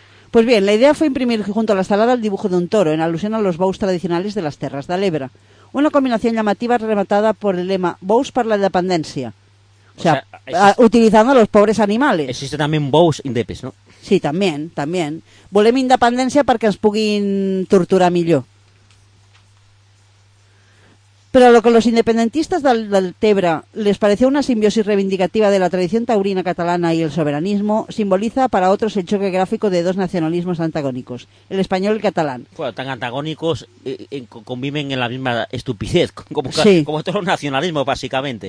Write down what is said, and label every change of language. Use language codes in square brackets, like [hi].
[es] Pues bien, la idea fue imprimir junto a la estalada el dibujo de un toro, en alusión a los bous tradicionales de las Terras de l'Ebre. Una combinación llamativa rematada por el lema Bous para la independencia. O sea, utilizando a los pobres animales. Existe también Bous indepes, ¿no? Sí, también. [ca] Volem independència perquè ens puguin torturar millor. [es] Pero lo que los independentistas del Tebra les pareció una simbiosis reivindicativa de la tradición taurina catalana y el soberanismo, simboliza para otros el choque gráfico de dos nacionalismos antagónicos, el español y el catalán. Bueno, tan antagónicos conviven en la misma estupidez, como todo el nacionalismo, básicamente.